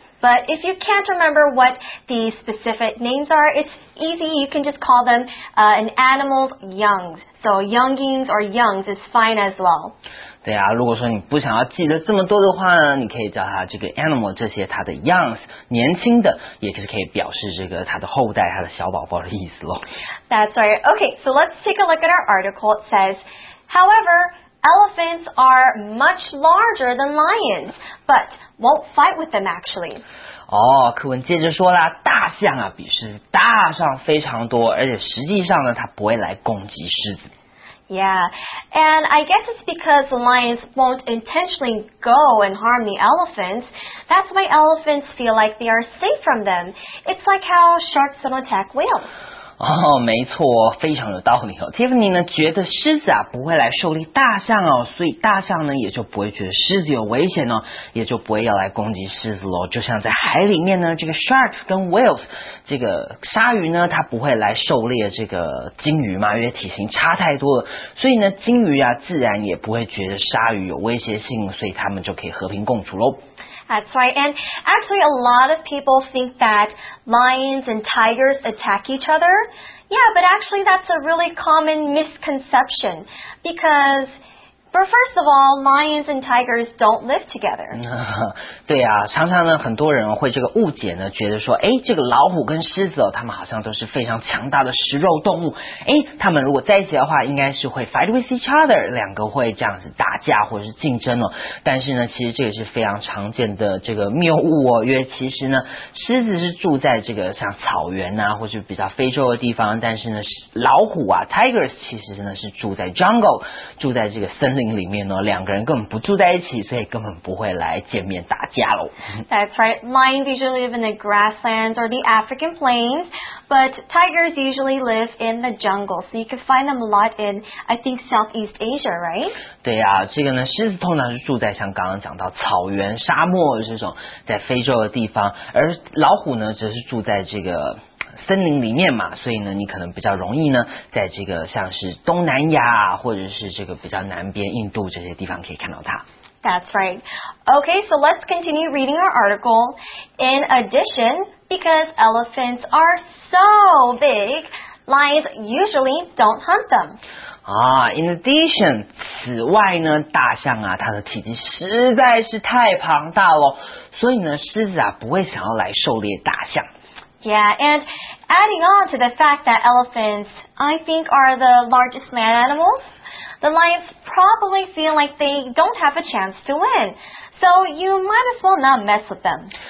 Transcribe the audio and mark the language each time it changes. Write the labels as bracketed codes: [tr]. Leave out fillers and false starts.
[en] But if you can't remember what the specific names are, it's easy. You can just call them an animal's youngs. So youngings or youngs is fine as well. [zh] 对啊，如果说你不想要记得这么多的话呢，你可以叫它这个 animal 这些它的 youngs 年轻的，也是可以表示这个它的后代、它的小宝宝的意思咯。 [en] That's right. Okay, so let's take a look at our article. It says, however. Elephants are much larger than lions, but won't fight with them, actually. [zh] 哦，课文接着说啦，大象啊比狮子大上非常多，而且实际上呢，它不会来攻击狮子。 [en] Yeah, and I guess it's because the lions won't intentionally go and harm the elephants. That's why elephants feel like they are safe from them. It's like how sharks don't attack whales. [zh] 哦，没错，非常有道理哦。 Tiffany 呢觉得狮子啊不会来狩猎大象哦，所以大象呢也就不会觉得狮子有危险哦，也就不会要来攻击狮子咯。就像在海里面呢，这个 sharks 跟 whales 这个鲨鱼呢，它不会来狩猎这个鲸鱼嘛，因为体型差太多了，所以呢鲸鱼啊自然也不会觉得鲨鱼有威胁性，所以他们就可以和平共处咯。 [en] That's right, and actually a lot of people think that lions and tigers attack each other. Yeah, but actually that's a really common misconception because But first of all, lions and tigers don't live together. [zh] 对啊，常常呢，很多人会这个误解呢，觉得说，哎，这个老虎跟狮子哦，他们好像都是非常强大的食肉动物。哎，他们如果在一起的话，应该是会 [en] fight with each other， [zh] 两个会这样子打架或者是竞争哦。但是呢，其实这个是非常常见的这个谬误哦，因为其实呢，狮子是住在这个像草原啊，或者比较非洲的地方，但是呢，老虎啊 ，tigers 其实呢是住在 jungle， 住在这个森林里面呢，两个人根本不住在一起，所以根本不会来见面打架喽。 [en] That's right. Lions usually live in the grasslands or the African plains, but tigers usually live in the jungle. So you can find them a lot in, I think, Southeast Asia, right? [zh] 对啊，这个呢，狮子通常是住在像刚刚讲到草原、沙漠这种在非洲的地方，而老虎呢，则是住在这个森林里面嘛，所以呢，你可能比较容易呢，在这个像是东南亚或者是这个比较南边印度这些地方可以看到它。 [en] That's right. Okay, so let's continue reading our article. In addition, because elephants are so big, lions usually don't hunt them. In addition, [zh] 此外呢，大象啊，它的体积实在是太庞大了，所以呢，狮子啊，不会想要来狩猎大象。 [en] Yeah, and adding on to the fact that elephants, I think, are the largest man animals, the lions probably feel like they don't have a chance to win. So you might as well not mess with them.